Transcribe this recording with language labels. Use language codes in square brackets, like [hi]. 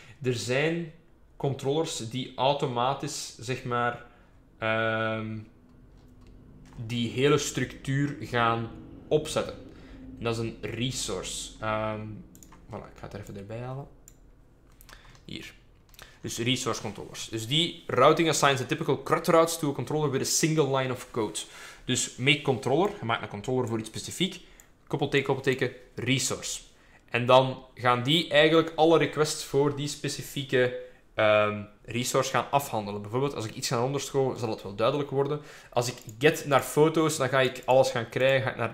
[nl] Er zijn controllers die automatisch, zeg maar... die hele structuur gaan opzetten. En dat is een resource. Voilà, ik ga het er even erbij halen. Hier. Dus resource controllers. Dus die [en] routing assigns the typical CRUD routes to a controller with a single line of code. [nl] Dus make controller, je maakt een controller voor iets specifiek, koppelteken, resource. En dan gaan die eigenlijk alle requests voor die specifieke resource gaan afhandelen. Bijvoorbeeld, als ik iets ga onderscrollen, zal het wel duidelijk worden. Als ik get naar foto's, dan ga ik alles gaan krijgen.